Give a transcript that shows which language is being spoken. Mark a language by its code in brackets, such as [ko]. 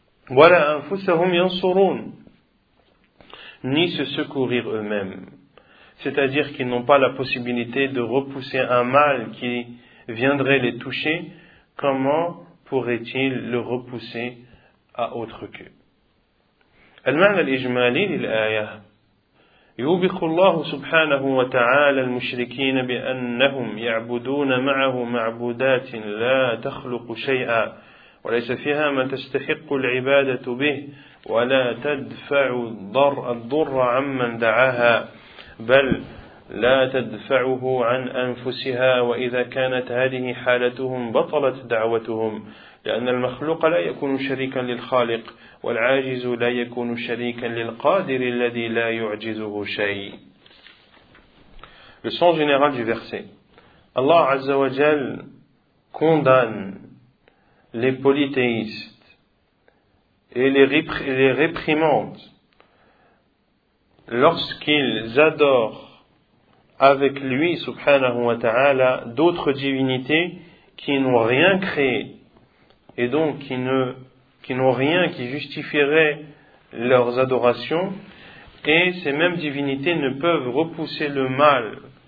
[ar] وَلَا أَنفُسَهُمْ يَنصُرُونَ. [fr] Ni se secourir eux-mêmes. C'est-à-dire qu'ils n'ont pas la possibilité de repousser un mal qui viendrait les toucher, comment pourraient-ils le repousser à autre que. [ar] المعنى الإجمالي للآية يوبخ الله سبحانه وتعالى المشركين بأنهم يعبدون معه معبودات لا تخلق شيئا وليس فيها ما تستحق العبادة به ولا تدفع الضر عمن دعاها بل لا تدفعه عن أنفسها وإذا كانت هذه حالتهم بطلت دعوتهم لأن المخلوق لا يكون شريكا للخالق والعاجز لا يكون شريكا للقادر الذي لا يعجزه شيء. [fr] Le sens général du verset. Allah Azza wa Jal condamne les polythéistes et les réprimandes lorsqu'ils adorent avec lui, subhanahu wa ta'ala, d'autres divinités qui n'ont rien créé et donc qui n'ont rien qui justifierait leurs adorations, et ces mêmes divinités ne peuvent repousser le mal